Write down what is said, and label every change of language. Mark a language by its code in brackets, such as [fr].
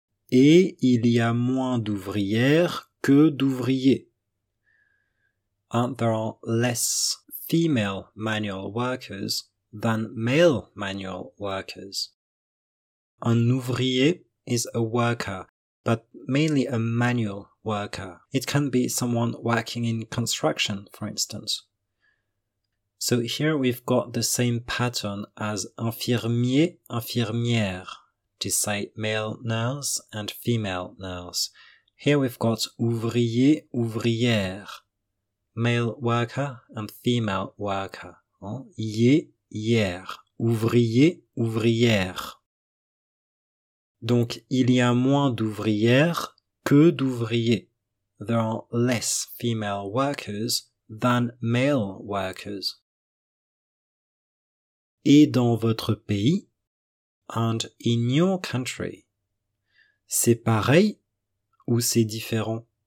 [fr] Et il y a moins d'ouvrières que d'ouvriers. [en] And there are less female manual workers than male manual workers. [fr] Un ouvrier [en] is a worker, but mainly a manual worker. It can be someone working in construction, for instance. So here we've got the same pattern as infirmier, infirmière, to say male nurse and female nurse. Here we've got ouvrier, ouvrière, male worker and female worker. [fr] Yer, hier, ouvrier, ouvrière. Donc, il y a moins d'ouvrières que d'ouvriers. [en] There are less female workers than male workers. [fr] Et dans votre pays, [en] and in your country, [fr] c'est pareil ou c'est différent?